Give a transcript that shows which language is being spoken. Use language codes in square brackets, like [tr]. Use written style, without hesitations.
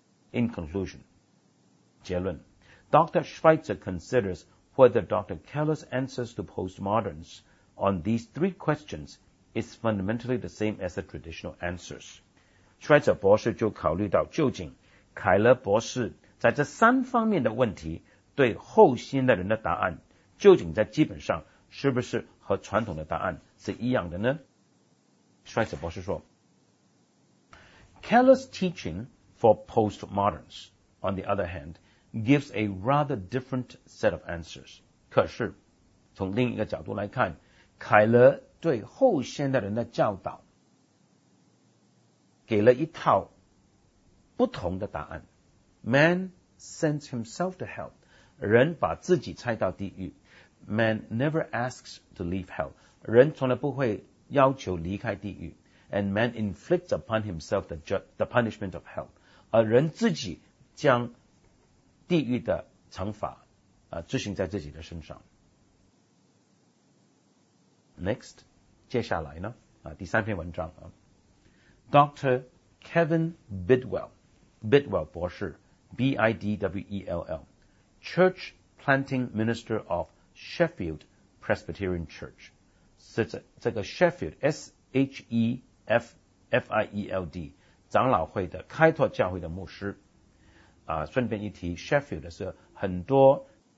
[en] In conclusion, [zh] 结论， [en] Dr. Schweitzer considersWhether Dr. Keller's answers to postmoderns on these three questions is fundamentally the same as the traditional answers. [zh] Schweitzer 博士就考虑到究竟凯勒博士在这三方面的问题对后现代人的答案究竟在基本上是不是和传统的答案是一样的呢？ [en] Schweitzer [zh] 博士说， [en] Keller's teaching for postmoderns, on the other hand,gives a rather different set of answers. [zh] 可是从另一个角度来看，凯勒对后现代人的教导给了一套不同的答案。 [en] Man sends himself to hell. [zh] 人把自己拆到地狱。 [en] Man never asks to leave hell. [zh] 人从来不会要求离开地狱。 [en] And man inflicts upon himself the punishment of hell. [zh] 而人自己将地狱的惩罚执行在自己的身上。 [en] Next, [zh] 接下来呢第三篇文章Dr. Kevin Bidwell 博士 B-I-D-W-E-L-L [en] Church Planting Minister of Sheffield Presbyterian Church [zh] 是这个 Sheffield S-H-E-F-F-I-E-L-D 长老会的开拓教会的牧师顺便一提 Sheffield 是很多